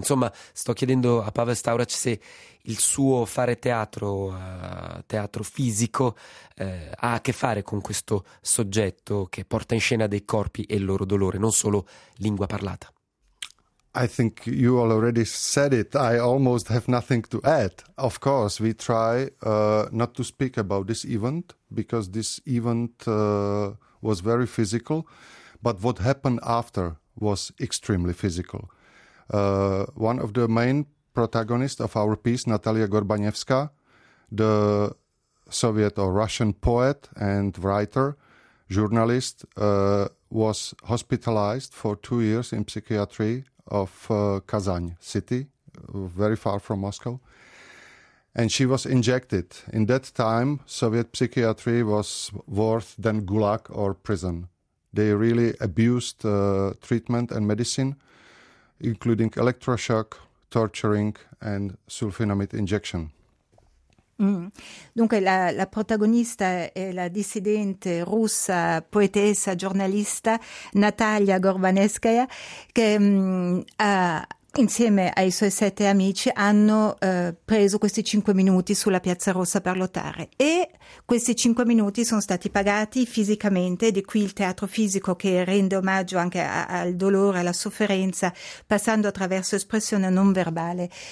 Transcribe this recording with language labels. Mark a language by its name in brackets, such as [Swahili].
[Italian] Insomma, sto chiedendo a Pavel Storac se il suo fare teatro, teatro fisico, ha a che fare con questo soggetto che porta in scena dei corpi e il loro dolore, non solo lingua parlata. [English] I think you already said it. I almost have nothing to add. Of course, we try not to speak about this event, because this event was very physical. But what happened after was extremely physical. One of the main protagonists of our piece, Natalia Gorbanevska, the Soviet or Russian poet and writer, journalist, was hospitalized for 2 years in psychiatry of Kazan city, very far from Moscow, and she was injected. In that time, Soviet psychiatry was worse than Gulag or prison. They really abused treatment and medicine, including electroshock, torturing and sulfinamide injection. [Italian] Dunque la protagonista è la dissidente russa, poetessa, giornalista Natalia Gorbaneskaya, che insieme ai suoi 7 amici hanno preso questi 5 minuti sulla Piazza Rossa per lottare, e questi 5 minuti sono stati pagati fisicamente, di qui il teatro fisico che rende omaggio anche al dolore, alla sofferenza, passando attraverso espressione non verbale.